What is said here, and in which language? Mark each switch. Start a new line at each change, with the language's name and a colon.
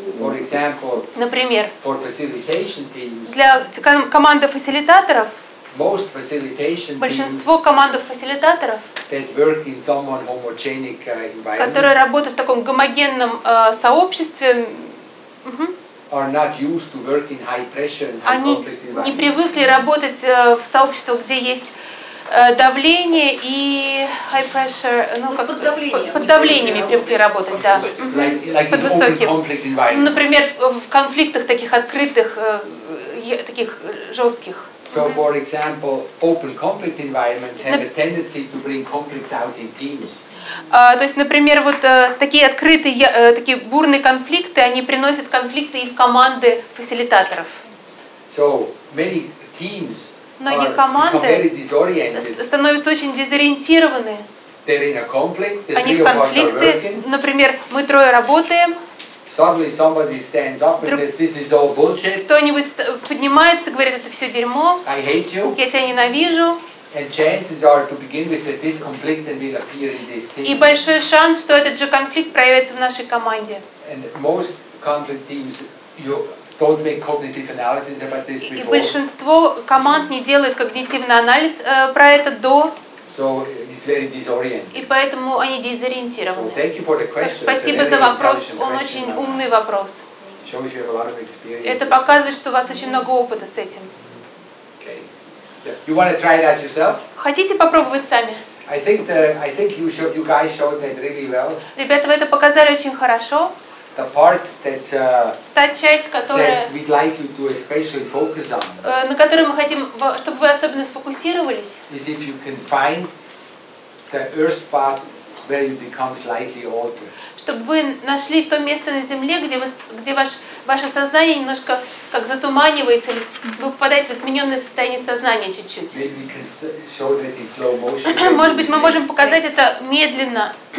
English: For example,
Russian: например,
English: for facilitation teams,
Russian: для команды фасилитаторов,
English: most facilitation
Russian: большинство команд фасилитаторов,
English: that work in someone homogenic environment,
Russian: которые работают в таком гомогенном сообществе,
English: are not used to work in high pressure and high conflict environment.
Russian: Они не привыкли работать в сообществах, где есть давление и
English: high pressure,
Russian: под давлением не привыкли работать, да.
English: Like
Russian: под высоким. Например, в конфликтах таких открытых, таких жестких.
English: So, for example, open conflict environments have a tendency to bring conflicts out in teams.
Russian: То есть, например, вот такие открытые, такие бурные конфликты, они приносят конфликты и в команды фасилитаторов.
English: So, many teams
Russian: многие команды становятся очень дезориентированы.
English: They're in a conflict, the
Russian: они в конфликты, например, мы трое работаем.
English: Suddenly somebody stands up and says, "This is all bullshit."
Russian: Кто-нибудь поднимается, говорит, это все дерьмо.
English: I hate you.
Russian: Я тебя ненавижу.
English: And chances are to begin with that this conflict will appear in this team.
Russian: И большой шанс, что этот же конфликт проявится в нашей команде.
English: And most conflict teams, you don't make cognitive analysis about this before.
Russian: И большинство команд не делает когнитивный анализ про это до.
English: So it's very disoriented.
Russian: И поэтому они дезориентированы.
English: So thank you for the question.
Russian: Спасибо за вопрос. Он очень умный вопрос.
English: Shows you have a lot of experience.
Russian: Это показывает, что у вас очень много опыта с этим.
English: Okay. You want to try that yourself?
Russian: Хотите попробовать сами?
English: I think you guys showed that really well.
Russian: Ребята, вы это показали очень хорошо.
English: The part that's
Russian: та часть, которая
English: that we'd like you to especially focus on,
Russian: на которой мы хотим, чтобы вы особенно сфокусировались,
English: is if you can find the earth spot where you become slightly altered.
Russian: Чтобы вы нашли то место на земле, где ваше сознание немножко как затуманивается, или вы попадаете в измененное состояние сознания чуть-чуть.
English: Maybe we can show that in slow motion.
Russian: Может быть, мы можем показать это медленно.